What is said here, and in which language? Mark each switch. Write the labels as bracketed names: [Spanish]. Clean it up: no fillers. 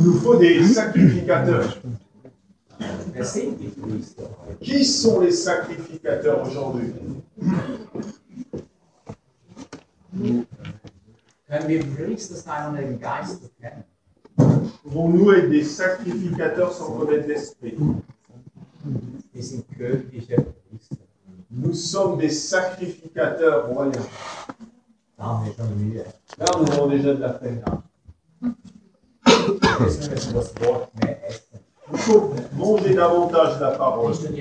[French] Il nous faut des sacrificateurs. [German] Wer sind die Priester? [French] Qui sont les sacrificateurs aujourd'hui? [German] wenn wir wirklich das Heilige Geist kennen, [French] pouvons-nous être des sacrificateurs sans connaître l'Esprit? [German] Wir sind königliche Priester. [French] Nous sommes des sacrificateurs royaux. Là, on est comme lui. Là, nous avons déjà de la peine. Il faut manger davantage la parole.